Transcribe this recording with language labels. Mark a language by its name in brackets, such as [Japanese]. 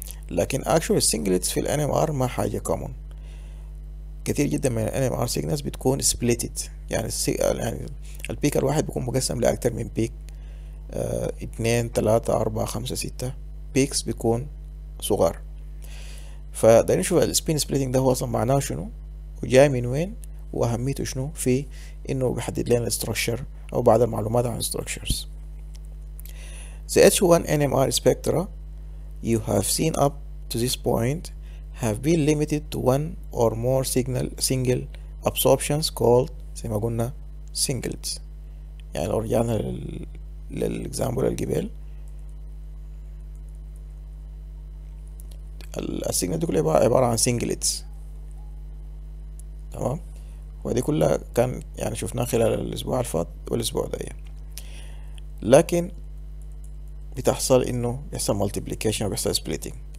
[Arabic] لكن actually singlets في ال NMR ما حاجة common، كثير جدا من ال NMR signals بتكون splitted، يعني البيك الواحد بيكون مقسم لأكثر من بيك، 2 3 4 5 6 بيكس بيكون صغار. فده نشوف ال spin splitting ده هو اصلا معناه شنو وجاي من وين واهميته شنو في انه بيحدد لنا الستركشر او بعض المعلومات عن الستركشرز. [English] The H1 NMR spectra you have seen up to this point have been limited to one or more signal single absorptions called [Arabic] زي ما قلنا [English] singlets. [Arabic] يعني لو رجعنا للاكزامبل الجبال السيجنال دي كلها عبارة عن singlets تمام، ودي كلها كان يعني شفناها خلال الأسبوع الفات والأسبوع ده، لكن بتحصل إنه يحصل multiplication وبيحصل splitting.